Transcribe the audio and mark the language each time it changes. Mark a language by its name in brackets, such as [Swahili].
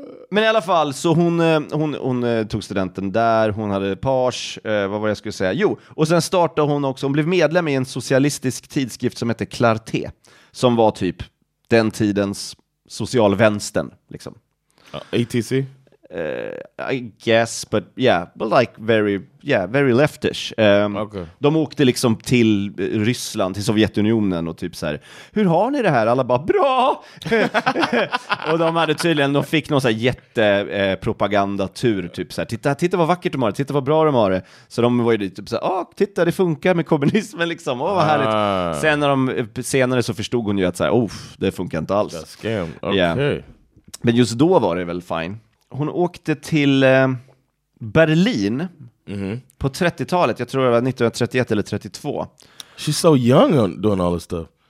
[Swedish] Men i alla fall, så hon tog studenten där, hon hade page, vad var jag skulle säga? Jo, och sen startade hon också, hon blev medlem i en socialistisk tidskrift som hette Clarté, som var typ den tidens socialvänstern, liksom. ATC? [English] I guess, but yeah, but like very, yeah, very leftish. [Swedish] De åkte liksom till Ryssland, till Sovjetunionen och typ så här, hur har ni det här? Alla bara, bra! Och de hade tydligen, de fick någon så här jättepropagandatur, typ så här, titta vad vackert de har det, titta vad bra de har det. Så de var ju typ så här, titta, det funkar med kommunismen liksom, åh, vad härligt. Sen när de, senare så förstod hon ju att så här, oh, det funkar inte alls. [English] That's game. Okay. Yeah. [Swedish] Men just då var det väl fine. Hon åkte till Berlin på 30-talet. Jag tror det var 1931 eller 32. [English] She's so young on doing all this stuff.